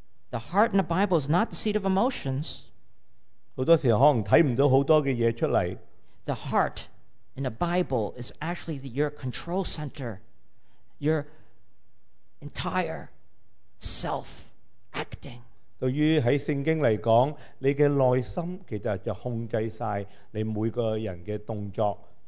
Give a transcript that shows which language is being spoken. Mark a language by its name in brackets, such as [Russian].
[English] The heart in the Bible is not the seat of emotions. [Cantonese] 好多时候可能睇唔到好多嘅嘢出嚟。 [English] The heart in the Bible is actually your control center, your entire self acting. [Cantonese] 对于喺圣经嚟讲，你嘅内心其实就控制晒你每个人嘅动作。